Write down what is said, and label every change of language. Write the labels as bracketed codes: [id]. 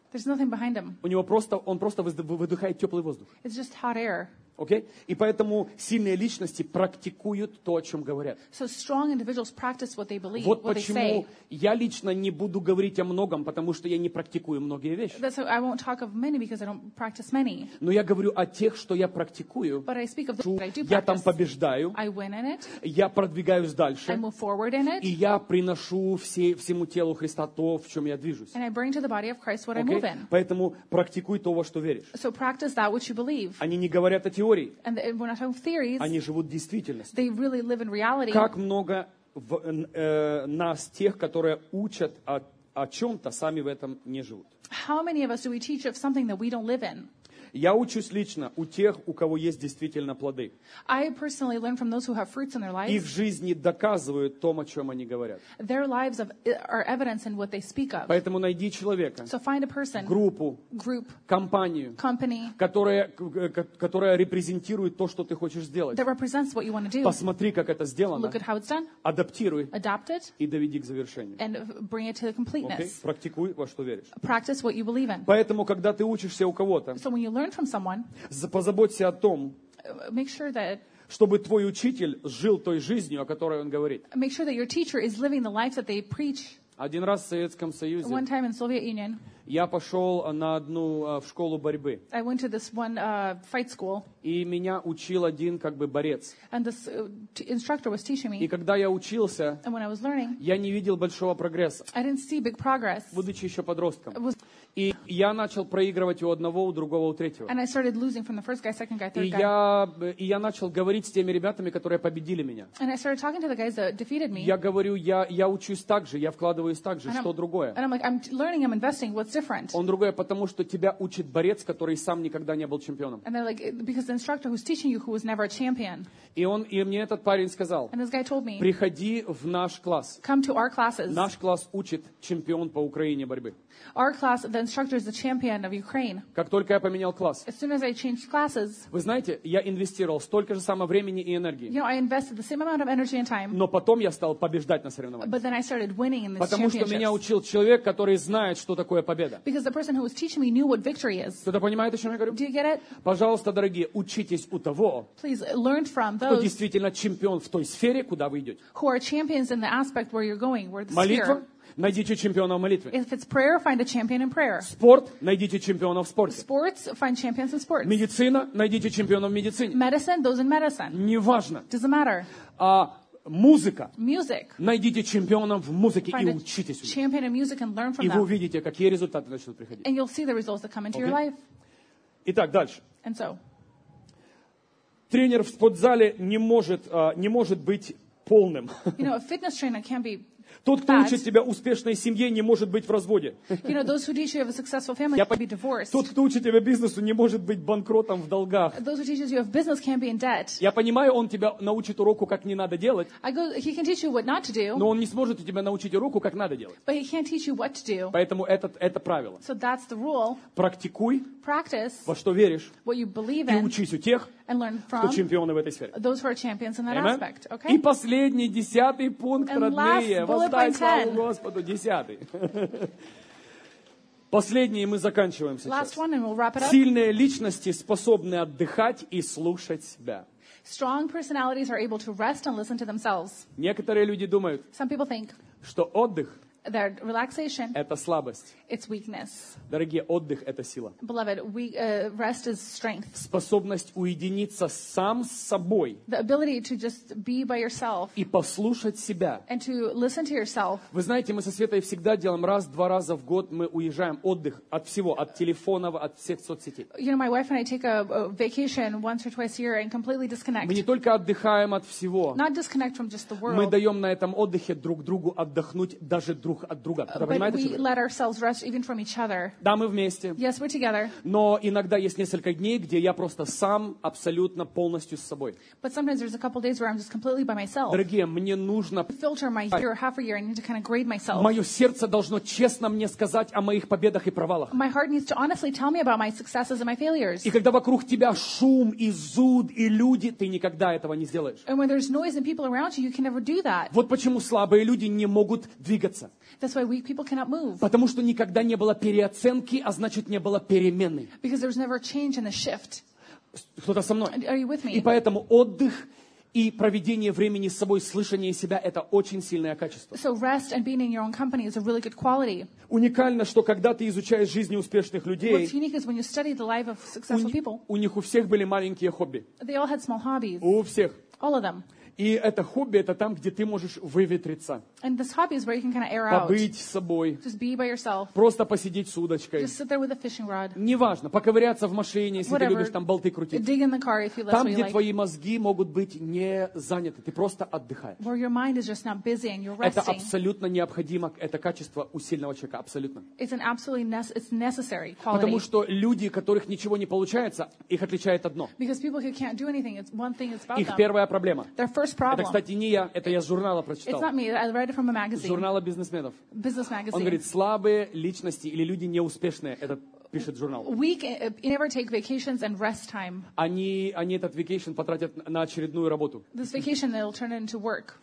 [en] There's nothing behind him. [ru] У него просто, он просто выдыхает теплый воздух. [en] It's just hot air. Okay? [ru] И поэтому сильные личности практикуют то, о чем говорят. [en] So strong individuals practice what they believe, [ru] вот [en] what they say. [ru] Вот почему я лично не буду говорить о многом, потому что я не практикую многие вещи. [en] That's why I won't talk of many because I don't practice many. [ru] Но я говорю о тех, что я практикую. [en] But I speak of those that I do practice. [ru] Я там побеждаю. [en] I win in it. [ru] Я продвигаюсь дальше. [en] I move forward in it. [ru] И я приношу всему телу Христа то, в чем я движусь. [en] And I bring to the body of Christ what I move in. [ru] Поэтому практикуй то, во что веришь. [en] So practice that which you believe. [ru] Они не говорят о тебе. [en] And we're not talking theories. [ru] Они живут действительностью. [en] They really live in reality. [ru] Как много нас тех, которые учат о чем-то, сами в этом не живут. [en] How many of us do we teach of something that we don't live in? [ru] Я учусь лично у тех, у кого есть действительно плоды. [en] I personally learn from those who have fruits in their lives. [ru] Их жизни доказывают то, о чем они говорят. [en] Their lives are evidence in what they speak of. [ru] Поэтому найди человека, [en] so find a person, [ru] группу, [en] group, [ru] компанию, [en] company, [ru] которая репрезентирует то, что ты хочешь сделать. [en] That represents what you want to do. [ru] Посмотри, как это сделано. [en] Look at how it's done. [ru] Адаптируй. [en] Adapt it. [ru] И доведи к завершению. [en] And bring it to the completeness. [ru] Практикуй, во что веришь. [en] Practice what you believe in. [ru] Поэтому, когда ты учишься у кого-то, [en] so when you learn from someone, [ru] позаботься о том, [en] make sure that, [ru] чтобы твой учитель жил той жизнью, о которой он говорит. [en] Make sure that your teacher is living the life that they preach. [ru] Один раз в Советском Союзе, [en] one time in Soviet Union, [ru] я пошел на одну в школу борьбы. [en] I went to this one fight school. [ru] И меня учил один как бы борец. [en] And this instructor was teaching me. [ru] И когда я учился, [en] and when I was learning, [ru] я не видел большого прогресса. [en] I didn't see big progress. [ru] Будучи еще подростком. И я начал проигрывать у одного, у другого, у третьего. [en] And I started losing from the first guy, second guy, third guy. [ru] И я начал говорить с теми ребятами, которые победили меня. [en] And I started talking to the guys that defeated me. [ru] Я говорю, я учусь так же, я вкладываюсь так же, что другое? [en] And I'm like, I'm learning, I'm investing, what's different? [ru] Он другое, потому что тебя учит борец, который сам никогда не был чемпионом. [en] And they're like, because the instructor who's teaching you, who was never a champion. [ru] И мне этот парень сказал, [en] and this guy told me, [ru] приходи в наш класс. [en] Come to our classes. [ru] Наш класс учит чемпион по Украине борьбы. [en] Our class, the instructor is the champion of Ukraine. [ru] Как только я поменял класс. [en] As soon as I changed classes. [ru] Вы знаете, я инвестировал столько же самое времени и энергии. [en] You know, I invested the same amount of energy and time. [ru] Но потом я стал побеждать на соревнованиях. [en] But then I started winning in the [ru] Потому что меня учил человек, который знает, что такое победа. [en] Because the person who was teaching me knew what victory is. [ru] Кто-то понимает, о чем я говорю? [en] Do you get it? [ru] Пожалуйста, дорогие, учитесь у того. [en] Please learn from those. [ru] Кто действительно чемпион в той сфере, куда вы идете. [en] Who are champions in the aspect where you're going, where the [ru] Молитва? [en] Sphere. [ru] Найдите чемпиона в молитве. [en] If it's prayer, find a champion in prayer. [ru] Спорт, найдите чемпиона в спорте. [en] Sports, find champions in sports. [ru] Медицина, найдите чемпиона в медицине. [en] Medicine, those in medicine. [ru] Неважно. [en] Doesn't matter. [ru] Музыка. [en] Music. [ru] Найдите чемпиона в музыке [en] find [ru] и учитесь. [en] Champion in music and learn from [ru] и И вы увидите, какие результаты начнут приходить. [en] And you'll see the results that come into okay. your life. [ru] Итак, дальше. [en] And so. [ru] Тренер в спортзале не может быть полным. [en] You know, a fitness trainer can't be [ru] Тот, кто учит тебя успешной семье, не может быть в разводе. [en] You know, those who teach you have a successful family can't be divorced. [ru] Тот, кто учит тебя бизнесу, не может быть банкротом в долгах. [en] Those who teach you have business can't be in debt. [ru] Я понимаю, он тебя научит уроку, как не надо делать. [en] I go, he can teach you what not to do. [ru] Но он не сможет у тебя научить уроку, как надо делать. [en] But he can't teach you what to do. [ru] Поэтому это правило. [en] So that's the rule. [ru] Практикуй. [en] Practice. [ru] Во что веришь. [en] What you believe in. [ru] И учись у тех, [en] and learn from [ru] кто чемпионы в этой сфере. [en] Those who are champions in that Amen. Aspect. Okay? [ru] И последний, 10-й пункт, [en] and [ru] родные. Дай славу Господу, 10-й. Последний, мы заканчиваем сейчас. [en] Last one, and we'll wrap it up. [ru] Сильные личности способны отдыхать и слушать себя. [en] Strong personalities are able to rest and listen to themselves. [ru] Некоторые люди думают, [en] some people think, [ru] что отдых [en] that relaxation, [ru] это слабость. [en] It's weakness. [ru] Дорогие, отдых это сила. [en] Beloved, rest is strength. [ru] Способность уединиться сам с собой. [en] The ability to just be by yourself. [ru] И послушать себя. [en] And to listen to yourself. [ru] Вы знаете, мы со Светой всегда делаем раз-два раза в год мы уезжаем отдых от всего, от телефонов, от всех соцсетей. [en] You know, my wife and I take a vacation once or twice a year and completely disconnect. [ru] Мы не только отдыхаем от всего. [en] Not disconnect from just the world. [ru] Мы даем на этом отдыхе друг другу отдохнуть даже друг друг от друга. Кто-то понимает, [en] we let ourselves rest even from each other. [ru] Да, мы вместе. [en] Yes, we're together. [ru] Но иногда есть несколько дней, где я просто сам абсолютно полностью с собой. [en] But sometimes there's a couple days where I'm just completely by myself. [ru] Дорогие, мне нужно [en] filter my year, half a year, I need to kind of grade myself. [ru] Мое сердце должно честно мне сказать о моих победах и провалах. [en] My heart needs to honestly tell me about my successes and my failures. [ru] И когда вокруг тебя шум и зуд и люди, ты никогда этого не сделаешь. [en] And when there's noise and people around you, you can never do that. [ru] Вот почему слабые люди не могут двигаться. [en] That's why weak people cannot move. [ru] Потому что никогда не было переоценки, а значит, не было перемены. [en] Because there was never a change in the shift. [ru] Кто-то со мной? [en] Are you with me? [ru] И поэтому отдых и проведение времени с собой, слышание себя – это очень сильное качество. [en] So rest and being in your own company is a really good quality. [ru] Уникально, что когда ты изучаешь жизни успешных людей, [en] what's unique is when you study the life of successful people. [ru] У них у всех были маленькие хобби. [en] They all had small hobbies. [ru] У всех. [en] All of them. [ru] И это хобби – это там, где ты можешь выветриться. [en] And this hobby is where you can kind of air out. [ru] Побыть с собой. [en] Just be by yourself. [ru] Просто посидеть с удочкой. [en] Just sit there with a fishing rod. [ru] Неважно, поковыряться в машине, если [en] whatever. [ru] Ты любишь там болты крутить. [en] Dig in the car if you like. [ru] Там, где [en] like. [ru] Твои мозги могут быть не заняты, ты просто отдыхаешь. [en] Where your mind is just not busy and you're resting. [ru] Это абсолютно необходимо, это качество у сильного человека, абсолютно. [en] It's an absolutely it's necessary quality. [ru] Потому что люди, у которых ничего не получается, их отличает одно. [en] Because people who can't do anything, it's one thing it's about [ru] их [en] them. [ru] Первая проблема. [en] Their first problem. [ru] Это, кстати, не я, это я с журнала прочитал. [en] It's not me. I read from a magazine. [ru] Журнала бизнесменов. [en] Business magazine. [ru] Он говорит, слабые личности или люди неуспешные, это пишет журнал. [en] Weak never take vacations and rest time. [ru] Они этот vacation потратят на очередную работу. [en] This vacation they'll turn into work.